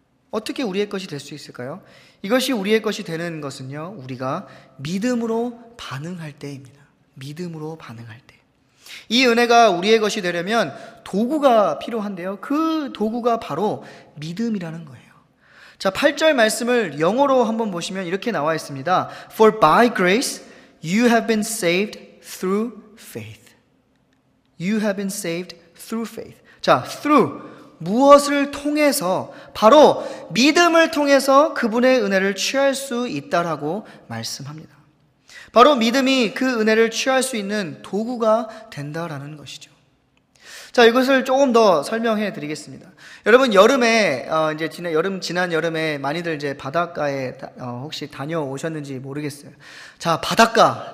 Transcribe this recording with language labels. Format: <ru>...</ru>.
<ko>어떻게 우리의 것이 될수 있을까요? 이것이 우리의 것이 되는 것은요, 우리가 믿음으로 반응할 때입니다. 믿음으로 반응할 때. 이 은혜가 우리의 것이 되려면 도구가 필요한데요. 그 도구가 바로 믿음이라는 거예요. 자, 8절 말씀을 영어로 한번 보시면 이렇게 나와 있습니다.</ko> <en>For by grace you have been saved through faith. You have been saved through faith.</en> <ko>자, through 무엇을 통해서 바로 믿음을 통해서 그분의 은혜를 취할 수 있다라고 말씀합니다. 바로 믿음이 그 은혜를 취할 수 있는 도구가 된다라는 것이죠. 자, 이것을 조금 더 설명해 드리겠습니다. 여러분, 여름에, 지난 여름에 많이들 이제 바닷가에, 혹시 다녀오셨는지 모르겠어요. 자, 바닷가.</ko>